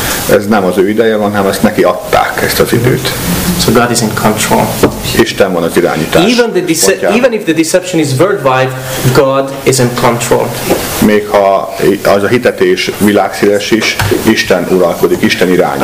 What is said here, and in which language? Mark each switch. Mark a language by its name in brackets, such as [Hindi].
[Hungarian] Ez nem az ő ideje van, hanem ezt neki adták, ezt az időt. [English] So God is in control. [Hungarian] Isten van az irányítás. [English] Even if the deception is worldwide, God is in control. [Hungarian] Még ha az a hitetés világszíves is, Isten uralkodik, Isten irányít.